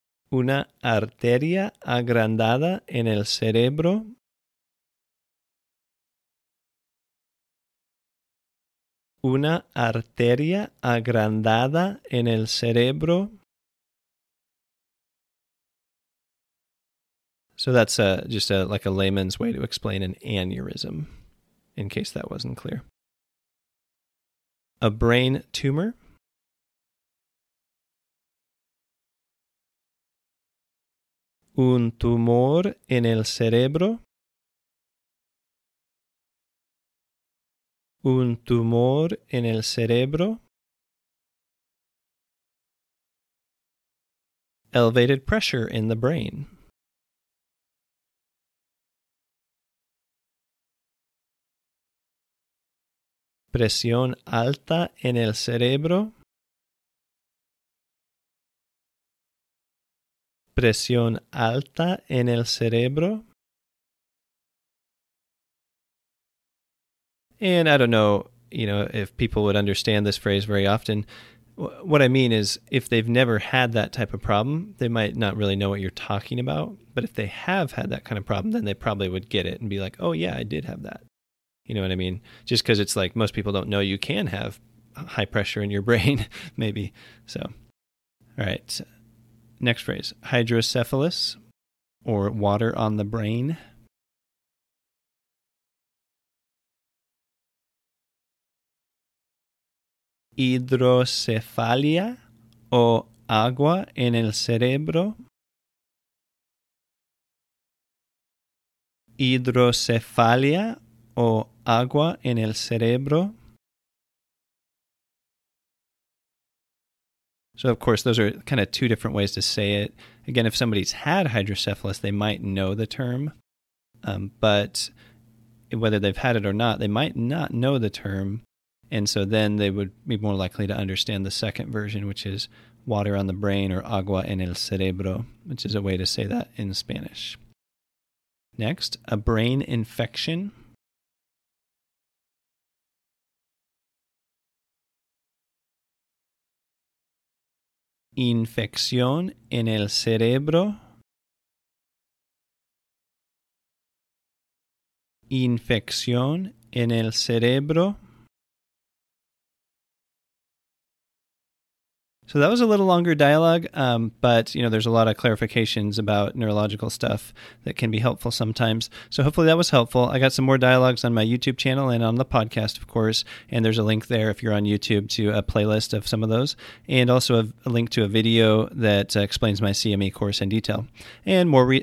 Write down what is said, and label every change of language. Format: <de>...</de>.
<es>Una arteria agrandada en el cerebro. Una arteria agrandada en el cerebro.</es> <en>So that's just a layman's way to explain an aneurysm, in case that wasn't clear. A brain tumor.</en> <es>Un tumor en el cerebro. Un tumor en el cerebro.</es> <en>Elevated pressure in the brain.</en> <es>Presión alta en el cerebro. Presión alta en el cerebro.</es> <en>And I don't know, if people would understand this phrase very often. What I mean is, if they've never had that type of problem, they might not really know what you're talking about. But if they have had that kind of problem, then they probably would get it and be like, oh yeah, I did have that. You know what I mean? Just because it's like most people don't know you can have high pressure in your brain, maybe. So, all right. Next phrase, hydrocephalus, or water on the brain.</en> <es>Hidrocefalia, o agua en el cerebro. Hidrocefalia, o agua en el cerebro.</es> <en>So, of course, those are kind of two different ways to say it. Again, if somebody's had hydrocephalus, they might know the term. But whether they've had it or not, they might not know the term. And so then they would be more likely to understand the second version, which is water on the brain or</en> <es>agua en el cerebro,</es> <en>which is a way to say that in Spanish. Next, a brain infection.</en> <es>Infección en el cerebro. Infección en el cerebro.</es> <en>So that was a little longer dialogue, but there's a lot of clarifications about neurological stuff that can be helpful sometimes. So hopefully that was helpful. I got some more dialogues on my YouTube channel and on the podcast, of course, and there's a link there if you're on YouTube to a playlist of some of those, and also a link to a video that explains my CME course in detail. And more.</en>